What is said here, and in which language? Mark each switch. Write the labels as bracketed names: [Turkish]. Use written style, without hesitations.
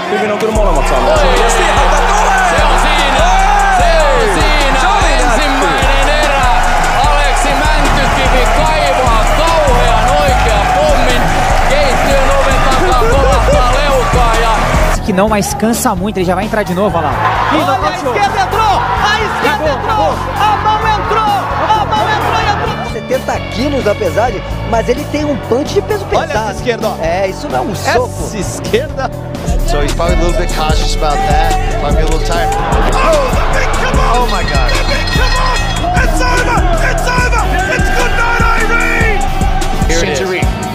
[Finnish] hyvin on kyllä molemmat saaneet. Se on siinä, se on siinä, se on siinä. Ensimmäinen erä. Aleksi Mäntykivi kaivaa kauhean oikea pommin. Keittiön oven takaa kolahtaa leukaa ja... [Portuguese] Que não, mas cansa muito, ele já vai entrar de novo, olha lá. Olha, a esquerda entrou, a esquerda entrou, a mão entrou, a mão entrou e entrou. 70 quilos, apesar de, mas ele tem um punch de peso pesado. Olha essa esquerda, ó. É, isso não é um soco. Essa esquerda. [English] So he's probably a little bit cautious about that, might be a little tired. Oh, the big come on! Oh my God. The big come on! It's over, it's over, it's good night, Irene! Here it is.